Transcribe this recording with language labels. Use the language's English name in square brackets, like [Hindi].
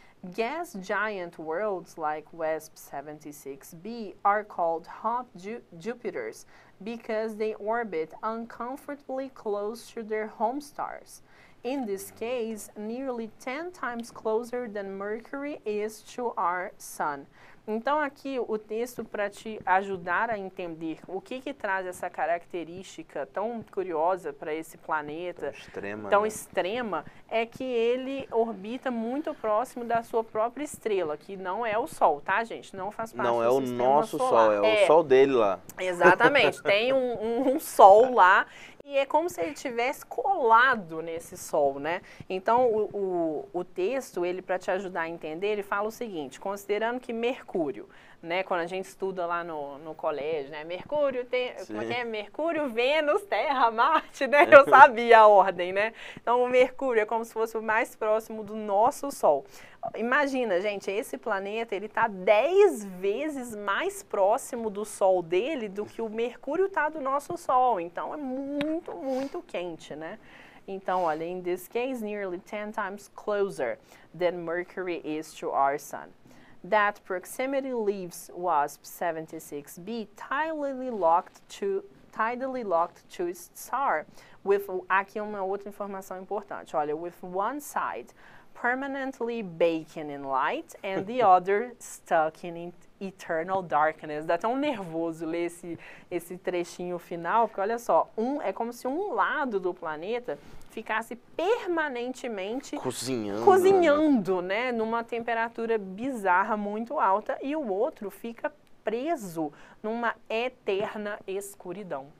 [English] Gas giant worlds like WASP-76b are called hot Jupiters because they orbit uncomfortably close to their home stars. In this case, nearly 10 times closer than Mercury is to our Sun. [Portuguese] Então aqui o texto para te ajudar a entender o que que traz essa característica tão curiosa para esse planeta tão extrema, é que ele orbita muito próximo da sua própria estrela, que não é o Sol, tá, gente? Não faz parte não do é sistema o nosso solar. Sol, é o Sol dele lá. Exatamente, tem um Sol lá e E é como se ele tivesse colado nesse sol, né? Então, o texto, ele, para te ajudar a entender, ele fala o seguinte: considerando que Mercúrio, né, quando a gente estuda lá no colégio, né, Mercúrio tem, como é que é? Mercúrio, Vênus, Terra, Marte, né? Eu sabia a ordem, né? Então, o Mercúrio é como se fosse o mais próximo do nosso sol. Imagina, gente, esse planeta, ele está 10 vezes mais próximo do sol dele do que o Mercúrio está do nosso sol. Então, é muito, muito quente, né? Então, olha, [English] in this case, nearly 10 times closer than Mercury is to our sun. That proximity leaves WASP 76b tidally locked to its star. [Portuguese] Aqui uma outra informação importante. Olha, [English] with one side permanently baking in light and the other stuck in eternal darkness. [Portuguese] Dá até um nervoso ler esse trechinho final, porque olha só, é como se um lado do planeta ficasse permanentemente cozinhando, né, numa temperatura bizarra muito alta, e o outro fica preso numa eterna escuridão.